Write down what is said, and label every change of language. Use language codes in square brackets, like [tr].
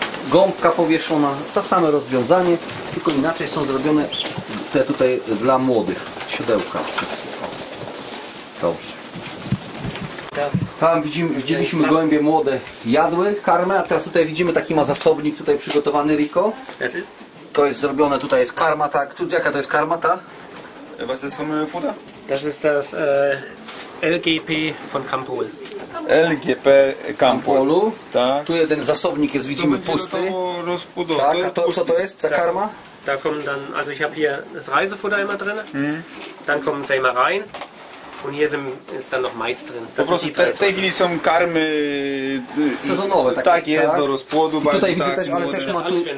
[pl] Gąbka powieszona, to samo rozwiązanie, tylko inaczej są zrobione te tutaj dla młodych siodełka. Dobrze. Tam widzieliśmy gołębie młode jadły, karmę, a teraz tutaj widzimy taki ma zasobnik tutaj przygotowany, Rico. To jest zrobione, tutaj jest karma, tak? Jaka to jest karma, ta? [de] Was ist von Futter? Das ist das LGP von Campol. [pl] LGP Campolu. Tak. Tu jeden zasobnik jest, widzimy, pusty. Tak, a to co to jest za karma? [de] Da kommen dann, also ich habe hier das Reisefutter immer drin. Dann kommen sie immer rein. Und hier ist dann noch Mais drin. [pl] Po prostu w tej chwili są karmy sezonowe, tak jest, do rozpłodu. I tutaj widzę też, ale też ma tu.